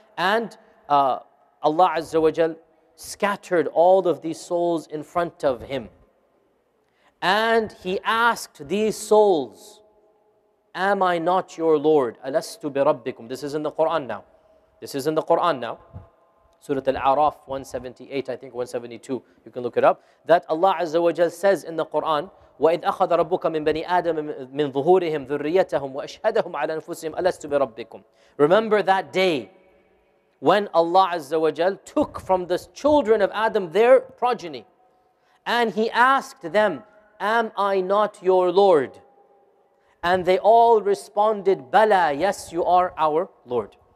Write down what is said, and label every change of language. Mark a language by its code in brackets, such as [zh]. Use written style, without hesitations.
[en] And Allah Azza wa Jal scattered all of these souls in front of him. And he asked these souls, Am I not your Lord? [ar] Alastu bi Rabbikum. [en] This is in the Quran now. This is in the Quran now. Surah Al-A'raf 178, I think 172, you can look it up. That Allah Azza wa Jal says in the Quran, [ar] وَإِذْ أَخَذَ رَبُّكَ مِنْ بَنِي آدَمَ مِنْ ظُهُورِهِمْ ذُرِّيَّتَهُمْ وَأَشْهَدَهُمْ عَلَى أَنفُسِهِمْ أَلَسْتُ بِرَبِّكُمْ. [en] Remember that day when Allah Azza wa Jal took from the children of Adam their progeny, and He asked them, Am I not your Lord? And they all responded, Bala, yes, you are our Lord.